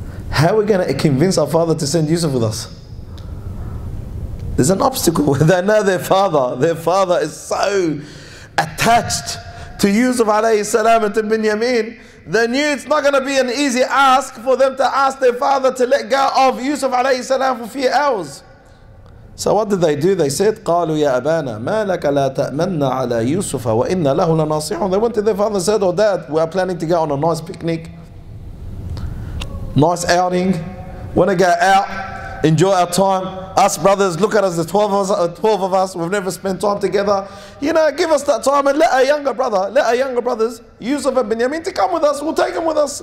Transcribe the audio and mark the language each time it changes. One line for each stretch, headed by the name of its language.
English: How are we going to convince our father to send Yusuf with us? There's an obstacle. They know their father. Their father is so attached to Yusuf alayhi salam and to Binyamin, they knew it's not going to be an easy ask for them to ask their father to let go of Yusuf alayhi salam for a few hours. So what did they do? They said,
Arabic: قَالُوا يَا أَبَانَا مَا لَكَ لَا تَأْمَنَّ عَلَىٰ يُوسُفَ وَإِنَّ لَهُ لَنَاصِحٌ.
English: They went to their father and said, oh dad, we are planning to go on a nice picnic, nice outing, want to go out, enjoy our time. Us brothers, look at us, the 12 of us, we've never spent time together. You know, give us that time and let our younger brothers, Yusuf and Benjamin, to come with us. We'll take them with us.